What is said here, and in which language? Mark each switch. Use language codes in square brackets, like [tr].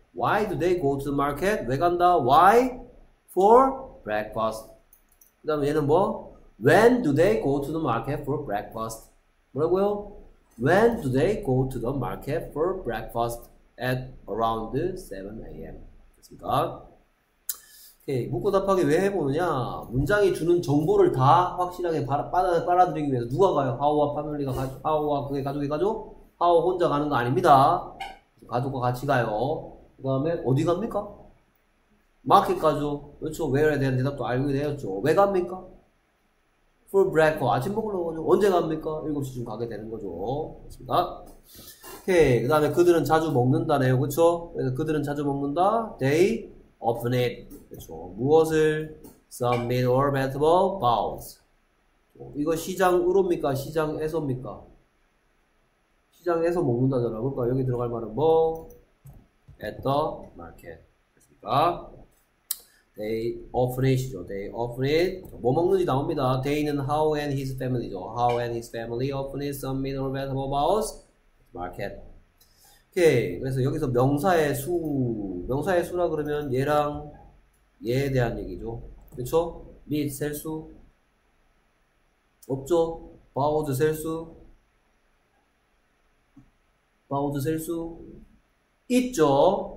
[en] why do they go to the market? [ko] 왜 간다? [en] why? for breakfast. [ko] 그 다음에 얘는 뭐? [en] when do they go to the market for breakfast? [ko] 뭐라고요? [en] when do they go to the market for breakfast at around 7 a.m. [ko] 그니까 오케이. 묻고 답하기 왜 해보느냐? 문장이 주는 정보를 다 확실하게 빨아들이기 위해서 누가 가요? how와 family가 가죠? how와 그게 가족이 가죠? 하우 혼자 가는 거 아닙니다. 가족과 같이 가요. 그 다음에 어디 갑니까? 마켓 가죠. 그렇죠. where에 대한 대답도 알고 되었죠. 왜 갑니까? [en] for breakfast. [ko] 아침 먹으러 가죠. 언제 갑니까? 7시쯤 가게 되는 거죠. 그렇습니까? 오케이. 그 다음에 그들은 자주 먹는다네요. 그렇죠. 그래서 그들은 자주 먹는다. [en] they often eat. [ko] 그렇죠. 무엇을? [en] some meat or vegetable bowls. 이거 시장으로입니까? [ko] 시장에서입니까? 시장에서 먹는다잖아. 그러니까 여기 들어갈 말은 뭐? [en] at the market. [ko] 됐습니까? [en] they often eat죠. they often eat. [ko] 뭐 먹는지 나옵니다. [en] they는 how and his family죠. how and his family often eat some meat or vegetable bowls market. [ko] 오케이. 그래서 여기서 명사의 수. 명사의 수라 그러면 얘랑 얘에 대한 얘기죠. 그쵸? meat 셀 수? 없죠? bowls 셀 수? 바우드 셀 수 있죠.